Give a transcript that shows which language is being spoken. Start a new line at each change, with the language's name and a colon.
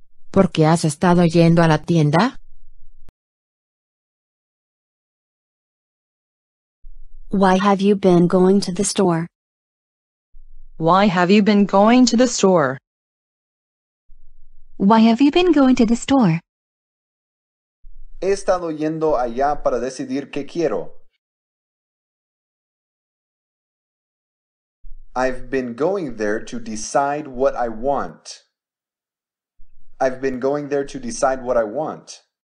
Spanish: ¿Por qué has estado yendo a la tienda?
English: Why have you been going to the store? Why have you been going to the store? Why have you been going to the store?
Spanish: He estado yendo allá para decidir qué quiero.
English: I've been going there to decide what I want. I've been going there to decide what I want.